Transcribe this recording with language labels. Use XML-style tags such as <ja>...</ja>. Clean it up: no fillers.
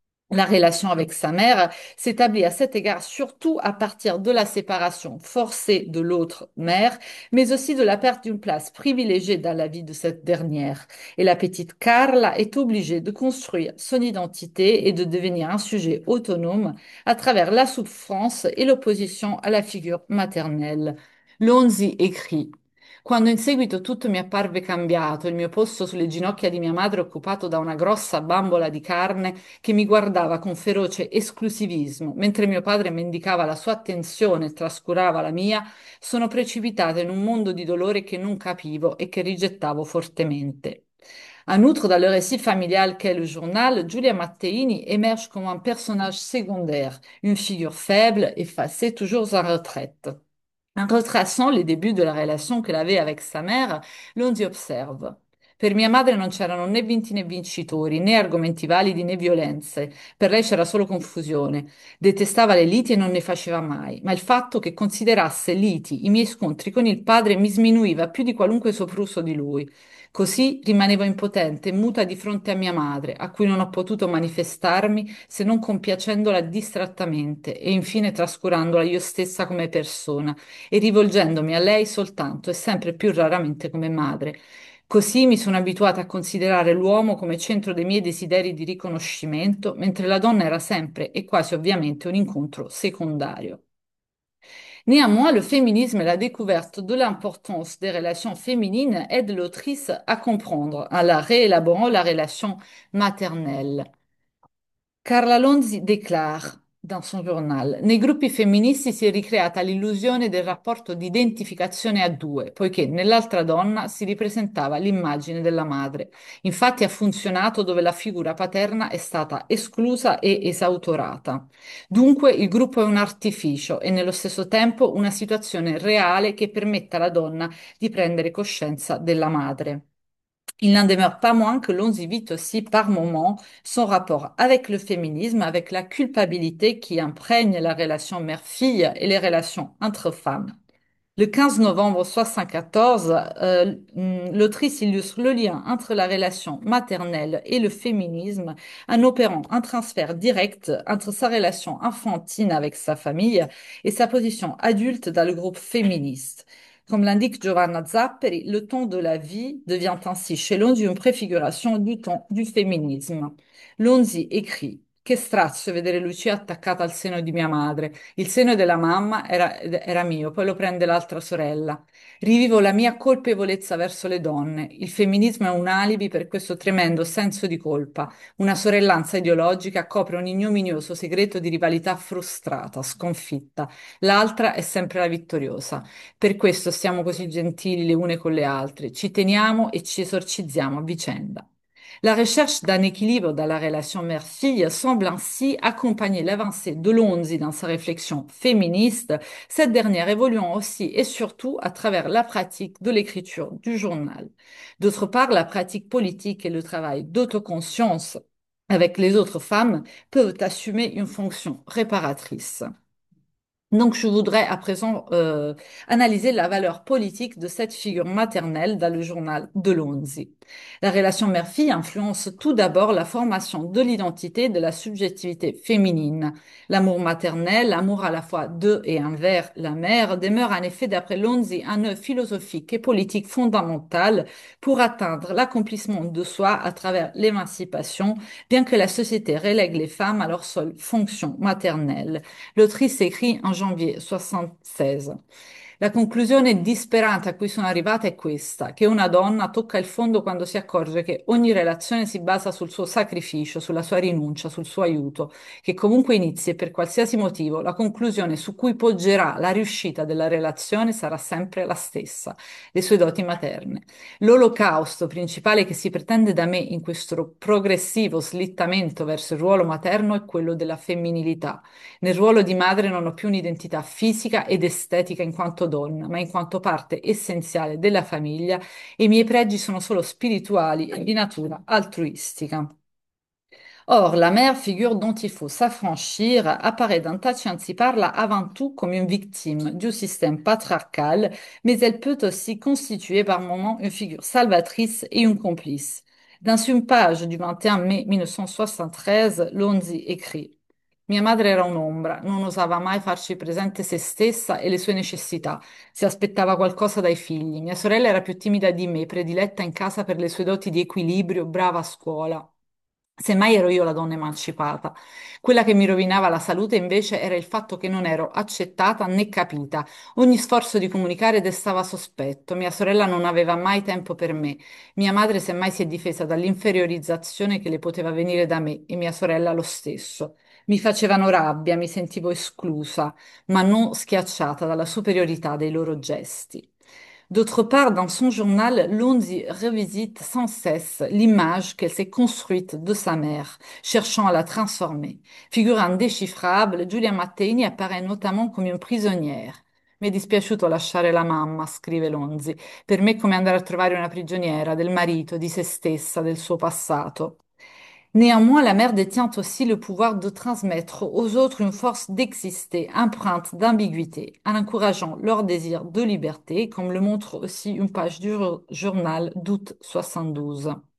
<fr>La relation avec sa mère s'établit à cet égard surtout à partir de la séparation forcée de l'autre mère, mais aussi de la perte d'une place privilégiée dans la vie de cette dernière. Et la petite Carla est obligée de construire son identité et de devenir un sujet autonome à travers la souffrance et l'opposition à la figure maternelle. Lonzi écrit:</fr> <it>Quando in seguito tutto mi apparve cambiato, il mio posto sulle ginocchia di mia madre occupato da una grossa bambola di carne che mi guardava con feroce esclusivismo, mentre mio padre mendicava la sua attenzione e trascurava la mia, sono precipitata in un mondo di dolore che non capivo e che rigettavo fortemente.</it> <fr>En outre, dans le récit familial qu'est le journal, Giulia Matteini émerge comme un personnage secondaire, une figure faible, effacée, toujours en retraite. En retraçant les débuts de la relation qu'elle avait avec sa mère, Lonzi observe:</fr> <it>Per mia madre non c'erano né vinti né vincitori, né argomenti validi né violenze. Per lei c'era solo confusione. Detestava le liti e non ne faceva mai. Ma il fatto che considerasse liti i miei scontri con il padre mi sminuiva più di qualunque sopruso di lui. Così rimanevo impotente, muta di fronte a mia madre, a cui non ho potuto manifestarmi se non compiacendola distrattamente e infine trascurandola io stessa come persona e rivolgendomi a lei soltanto e sempre più raramente come madre. Così mi sono abituata a considerare l'uomo come centro dei miei desideri di riconoscimento, mentre la donna era sempre e quasi ovviamente un incontro secondario.</it> <fr>Néanmoins, le féminisme et la découverte de l'importance des relations féminines aident l'autrice à comprendre, en la réélaborant, la relation maternelle. Carla Lonzi déclare dans son journal:</fr> <it>Nei gruppi femministi si è ricreata l'illusione del rapporto di identificazione a due, poiché nell'altra donna si ripresentava l'immagine della madre. Infatti ha funzionato dove la figura paterna è stata esclusa e esautorata. Dunque il gruppo è un artificio e nello stesso tempo una situazione reale che permetta alla donna di prendere coscienza della madre.</it> <fr>Il n'en demeure pas moins que Lonzi vit aussi par moments son rapport avec le féminisme, avec la culpabilité qui imprègne la relation mère-fille et les relations entre femmes. Le 15 novembre 1974, l'autrice illustre le lien entre la relation maternelle et le féminisme en opérant un transfert direct entre sa relation enfantine avec sa famille et sa position adulte dans le groupe féministe. Comme l'indique Giovanna Zapperi, le temps de la vie devient ainsi chez Lonzi une préfiguration du temps du féminisme. Lonzi écrit:</fr> <it>Che strazio vedere Lucia attaccata al seno di mia madre. Il seno della mamma era mio, poi lo prende l'altra sorella. Rivivo la mia colpevolezza verso le donne. Il femminismo è un alibi per questo tremendo senso di colpa. Una sorellanza ideologica copre un ignominioso segreto di rivalità frustrata, sconfitta. L'altra è sempre la vittoriosa. Per questo siamo così gentili le une con le altre. Ci teniamo e ci esorcizziamo a vicenda.</it> <fr>La recherche d'un équilibre dans la relation mère-fille semble ainsi accompagner l'avancée de Lonzi dans sa réflexion féministe, cette dernière évoluant aussi et surtout à travers la pratique de l'écriture du journal. D'autre part, la pratique politique et le travail d'autoconscience avec les autres femmes peuvent assumer une fonction réparatrice. Donc, je voudrais à présent analyser la valeur politique de cette figure maternelle dans le journal de Lonzi. La relation mère-fille influence tout d'abord la formation de l'identité de la subjectivité féminine. L'amour maternel, amour à la fois de et envers la mère, demeure en effet, d'après Lonzi, un nœud philosophique et politique fondamental pour atteindre l'accomplissement de soi à travers l'émancipation, bien que la société relègue les femmes à leur seule fonction maternelle. L'autrice écrit en janvier 1976.</fr> <it>La conclusione disperata a cui sono arrivata è questa: che una donna tocca il fondo quando si accorge che ogni relazione si basa sul suo sacrificio, sulla sua rinuncia, sul suo aiuto, che comunque inizi e per qualsiasi motivo, la conclusione su cui poggerà la riuscita della relazione sarà sempre la stessa, le sue doti materne. L'olocausto principale che si pretende da me in questo progressivo slittamento verso il ruolo materno è quello della femminilità. Nel ruolo di madre non ho più un'identità fisica ed estetica in quanto donna, ma in quanto parte essenziale della famiglia, e i miei pregi sono solo spirituali e di natura altruistica.</it> <fr>Or, la mère, figure dont il faut s'affranchir, apparaît dans Tacian si parla avant tout comme une victime du système patriarcal, mais elle peut aussi constituer par moments une figure salvatrice et une complice. Dans une page du 21 mai 1973, Lonzi écrit:</fr> <it>Mia madre era un'ombra, non osava mai farci presente se stessa e le sue necessità. Si aspettava qualcosa dai figli. Mia sorella era più timida di me, prediletta in casa per le sue doti di equilibrio, brava a scuola. Semmai ero io la donna emancipata. Quella che mi rovinava la salute invece era il fatto che non ero accettata né capita. Ogni sforzo di comunicare destava sospetto. Mia sorella non aveva mai tempo per me. Mia madre semmai si è difesa dall'inferiorizzazione che le poteva venire da me e mia sorella lo stesso. Mi facevano rabbia, mi sentivo esclusa, ma non schiacciata dalla superiorità dei loro gesti.</it> <fr>D'autre part, dans son journal, Lonzi revisite sans cesse l'image qu'elle s'est construite de sa mère, cherchant à la transformer. Figure indéchiffrable, Giulia Mattei apparaît notamment comme une prisonnière.</fr> <it>Mi è dispiaciuto lasciare la mamma, scrive Lonzi. Per me è come andare a trovare una prigioniera del marito, di se stessa, del suo passato.</it> <fr>Néanmoins, la mère détient aussi le pouvoir de transmettre aux autres une force d'exister, empreinte d'ambiguïté, en encourageant leur désir de liberté, comme le montre aussi une page du journal d'août 72.</fr>